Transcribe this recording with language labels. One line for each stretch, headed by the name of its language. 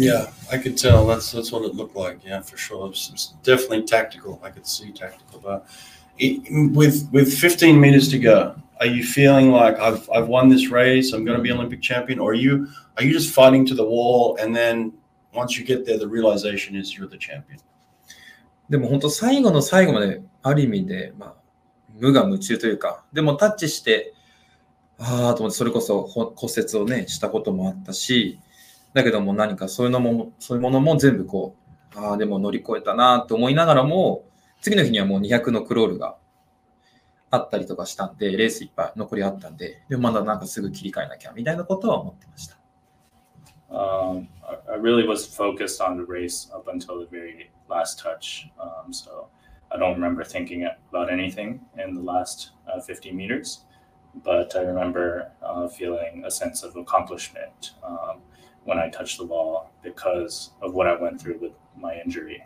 English: Yeah, I could tell. That's what it looked like. Yeah, for sure. It's definitely tactical. I could see tactical. But with 15 meters to go, are you feeling like I've won this race, I'm going to be Olympic champion? Or are you just fighting to the wall, and then once you get there, the realization is you're the champion?
Japanese: でも本当最後の最後まである意味で、まあ、無我夢中というか、でもタッチして、ああと思って、それこそ骨折をね、したこともあったし、だけども何かそういうものも全部こう、ああでも乗り越えたなと思いながらも、次の日にはもう200のクロールが、あったりとかしたんで、レースいっぱい残りあったんで、でまだなんかすぐ切り替えなきゃみたいなことは思ってました。
English: I really was focused on the race up until the very last touch. So I don't remember thinking about anything in the last 50 meters, but I remember feeling a sense of accomplishment when I touched the wall because of what I went through with my injury.